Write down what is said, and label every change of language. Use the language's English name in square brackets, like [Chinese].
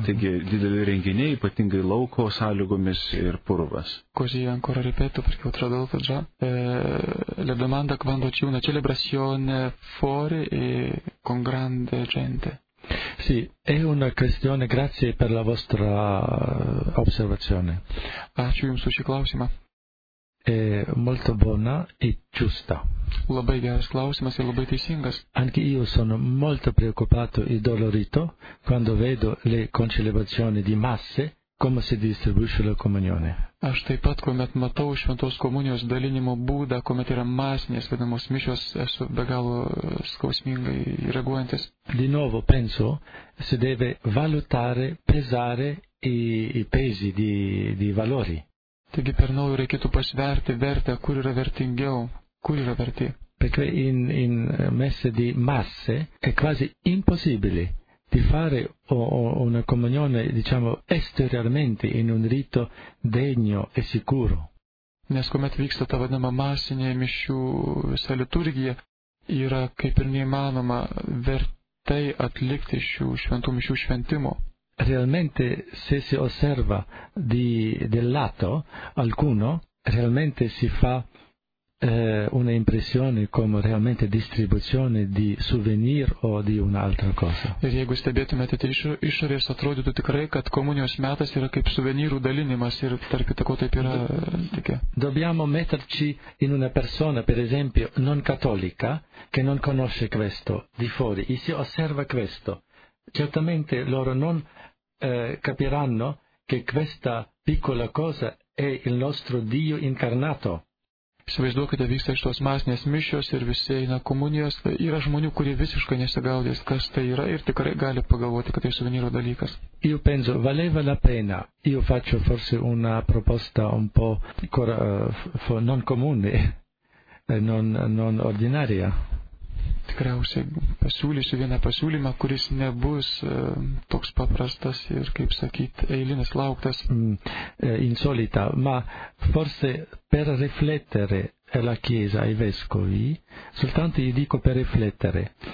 [Lithuanian] Taigi, dideli renginiai, ypatingai lauko sąlygomis ir purvas. [Italian] Così ancora ripeto, perché ho tradotto già. La domanda quando c'è una celebrazione fuori e con grande gente. Sì, è una questione, grazie per la vostra osservazione. [Lithuanian] Ačiū Jums už klausimą. [Italian] È molto buona e giusta. [Lithuanian] Labai geras klausimas ir labai teisingas. [Italian] Anche io sono molto preoccupato e dolorito quando vedo le concelebrazioni di masse, come si distribuisce la comunione. [Lithuanian] Aš taip pat, kuomet matau šventos komunijos dalinimo būdą, kuomet yra masinės vadinamos mišios, esu be galo skausmingai reaguojantis. [Italian] Di nuovo penso, si deve valutare, pesare i pesi di valori. [Lithuanian] Taigi per naujo reikėtų pasverti vertę, kur yra vertingiau. kur yra vertė. [Italian] Perché in messe di masse è quasi impossibile di fare una comunione, diciamo, esteriormente in un rito degno e sicuro. [Lithuanian] Nes kuomet vyksta ta vadinama masinė mišių visa liturgija, yra kaip ir neįmanoma vertai atlikti šių šventų mišių šventimo. [Italian] Realmente, se si osserva del lato alcuno, realmente si fa una impressione come realmente distribuzione di souvenir o di un'altra cosa. [Lithuanian] Ir jeigu stebėtumėte tai išorės, atrodytų tikrai, kad komunijos metas yra kaip suvenyrų dalinimas ir tarp kitako taip yra tikė. [Italian] Dobbiamo metterci in una persona, per esempio, non cattolica, che non conosce questo di fuori, e si osserva questo. Certamente loro non capiranno che questa piccola cosa è il nostro Dio incarnato. [Lithuanian] Įsivaizduokite, vyksta iš tos masinės mišios ir visi eina komunijos. Yra žmonių, kurie visiškai nesigaudės, kas tai yra, ir tikrai gali pagalvoti, kad tai suvenyro dalykas. [Italian] Io penso, valeva la pena. Io faccio forse una proposta un po' non comune, non ordinaria. [Lithuanian] Tikriausiai pasiūlysiu vieną pasiūlymą, kuris nebus toks paprastas ir, kaip sakyt, eilinis lauktas. [Italian] Insolita, ma forse per riflettere la Chiesa ai Vescovi, soltanto io dico per riflettere.